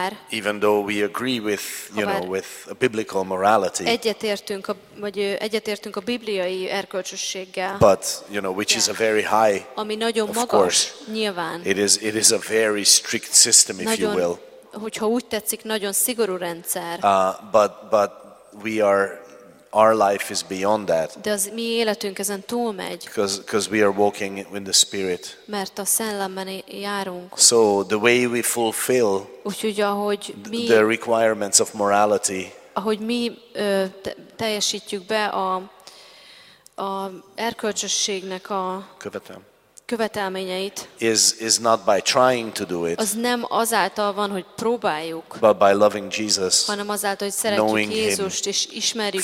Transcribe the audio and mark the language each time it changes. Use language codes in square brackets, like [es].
[en] Even though we agree with, you know, with a biblical morality. [hu] Egyetértünk a bibliai erkölcsösséggel. [en] But, you know, which is a very high. [hu] Ami nagyon magas, nyilván. [en] It is a very strict system, if you will. [hu] Hogyha úgy tetszik, nagyon szigorú rendszer. [en] But we are, our life is beyond that. [hu] De az mi életünk ezen túlmegy. [en] Because we are walking in the spirit. [hu] Mert a szellemben járunk. [en] So the way we fulfill the requirements of morality. [hu] Ahogy mi teljesítjük be a erkölcsösségnek a követelményeit. [en] Is not by trying to do it. [hu] Az nem azáltal van, hogy próbáljuk. [en] But by loving Jesus. [hu] Hanem azáltal, hogy szeretjük Jézust, és ismerjük őt.